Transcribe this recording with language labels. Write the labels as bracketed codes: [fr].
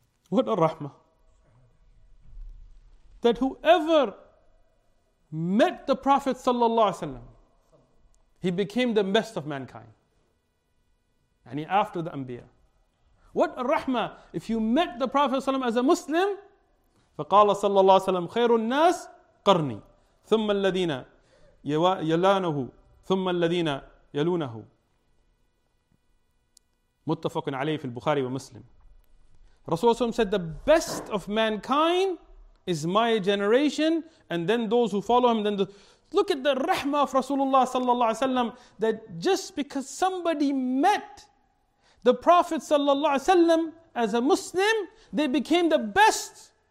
[en] What a rahmah. That whoever met the Prophet sallallahu alaihi wasallam, he became the best of mankind. And he after the anbiya. What a rahmah. If you met the Prophet sallallahu alaihi wasallam as a Muslim, [ar] فَقَالَ صَلَّى اللَّهُ سَلَّمْ خَيْرُ النَّاسِ قرني ثم الذين يلانه ثم الذين يلونه متفق عليه في البخاري ومسلم. [en] رسول الله said, the best of mankind is my generation, and then those who follow him. Look at the rahmah of Rasulullah sallallahu alaihi wasallam, that just because somebody met the Prophet sallallahu alaihi wasallam as a Muslim, they became the best